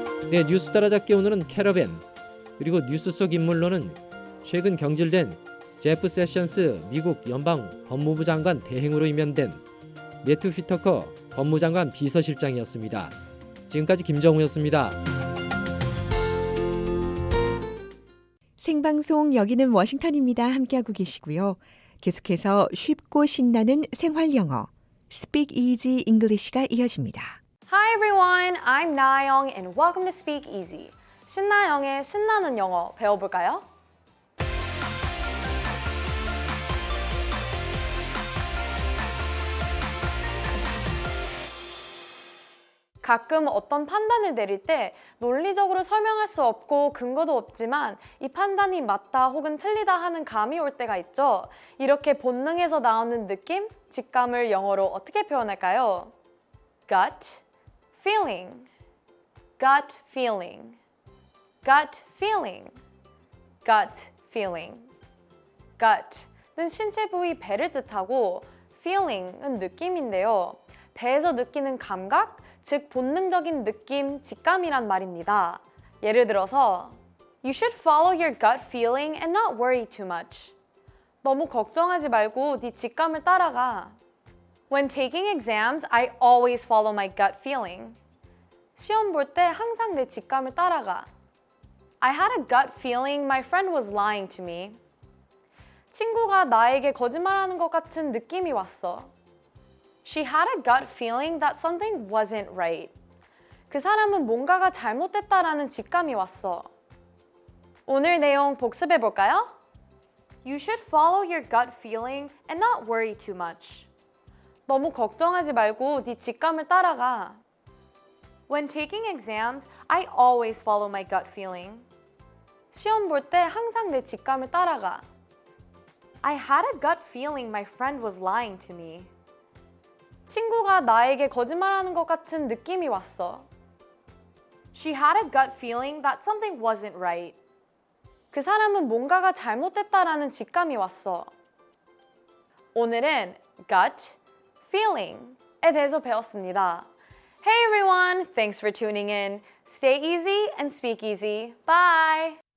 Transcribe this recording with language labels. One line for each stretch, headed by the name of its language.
Korean: 네, 뉴스 따라잡기 오늘은 캐러밴 그리고 뉴스 속 인물로는 최근 경질된 제프 세션스 미국 연방 법무부 장관 대행으로 임명된 매튜 휘터커 법무장관 비서실장이었습니다. 지금까지 김정우였습니다. 생방송 여기는 워싱턴입니다. 함께하고 계시고요. 계속해서 쉽고 신나는 생활 영어
English: Speak Easy English가
Korean: 이어집니다.
English: Hi everyone, I'm Nayeong and welcome to Speak Easy.
Korean: 신나영의 신나는 영어 배워볼까요? 가끔 어떤 판단을 내릴 때 논리적으로 설명할 수 없고 근거도 없지만 이 판단이 맞다 혹은 틀리다 하는 감이 올 때가 있죠. 이렇게 본능에서 나오는 느낌, 직감을 영어로 어떻게 표현할까요?
English: Gut feeling. Gut feeling. Gut feeling. Gut feeling.
Korean: Gut는 신체 부위 배를 뜻하고 feeling은 느낌인데요. 배에서 느끼는 감각, 즉 본능적인 느낌, 직감이란 말입니다. 예를 들어서
English: You should follow your gut feeling and not worry too much.
Korean: 너무 걱정하지 말고 네 직감을 따라가.
English: When taking exams, I always follow my gut feeling.
Korean: 시험 볼 때 항상 내 직감을 따라가.
English: I had a gut feeling my friend was lying to me.
Korean: 친구가 나에게 거짓말하는 것 같은 느낌이 왔어.
English: She had a gut feeling that something wasn't right.
Korean: 그 사람은 뭔가가 잘못됐다라는 직감이 왔어. 오늘 내용 복습해 볼까요?
English: You should follow your gut feeling and not worry too much.
Korean: 너무 걱정하지 말고 네 직감을 따라가.
English: When taking exams, I always follow my gut feeling.
Korean: 시험 볼 때 항상 내 직감을 따라가.
English: I had a gut feeling my friend was lying to me.
Korean: 친구가 나에게 거짓말하는 것 같은 느낌이 왔어.
English: She had a gut feeling that something wasn't right.
Korean: 그 사람은 뭔가가 잘못됐다라는 직감이 왔어. 오늘은 gut feeling에 대해서 배웠습니다.
English: Hey everyone, thanks for tuning in. Stay easy and speak easy. Bye!